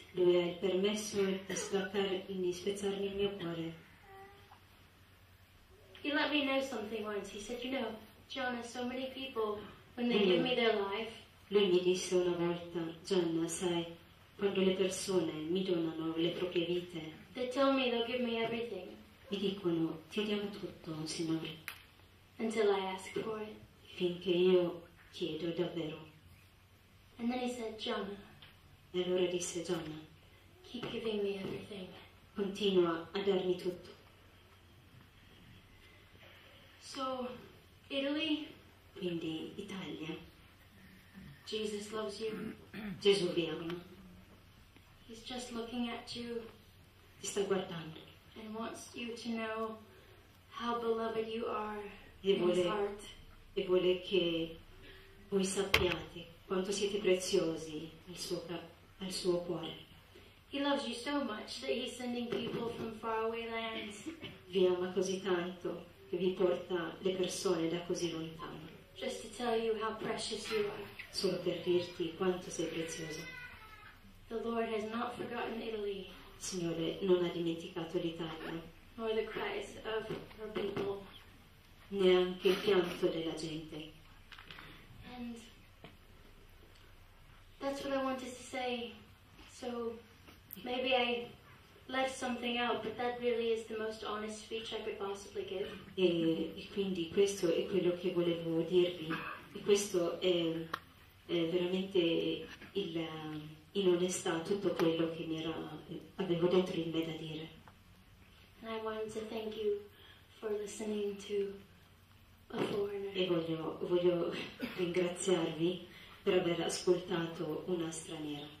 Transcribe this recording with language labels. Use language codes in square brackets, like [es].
[it] Lui ha il permesso di spezzarmi il mio cuore. [en] He let me know something once. He said, you know, Jonah, so many people, when they give me their life. [it] Lui mi disse una volta, Gianna, sai, quando le persone mi donano le proprie vite. [en] They tell me they'll give me everything. [it] Mi dicono, ti diamo tutto, Signore. [en] Until I ask for it. [it] Finché io chiedo davvero. [en] And then he said, Gianna. [it] E allora disse, Gianna. [en] Keep giving me everything. [it] Continua a darmi tutto. [en] So, Italy. [it] Quindi, Italia. [en] Jesus loves you. [it] Gesù vi ama. [en] He's just looking at you. [it] Ti sta guardando. [en] And wants you to know how beloved you are in his heart. [it] E vuole che voi sappiate quanto siete preziosi al suo cuore. [en] He loves you so much that he's sending people from faraway lands. [it] Vi ama così tanto che vi porta le persone da così lontano. [en] Just to tell you how precious you are. [it] Solo per dirti quanto sei prezioso. [en] The Lord has not forgotten Italy. [it] Signore, non ha dimenticato l'Italia. [en] Nor the cries of her people. [it] Neanche il pianto della gente. [en] And that's what I wanted to say. So maybe I left something out, but that really is the most honest speech I could possibly give. [it] E quindi questo è quello che volevo dirvi. E questo è veramente il in onestà tutto quello che avevo dentro in me da dire. [en] And I wanted to thank you for listening to a foreigner. [it] E voglio ringraziarvi per aver ascoltato una straniera.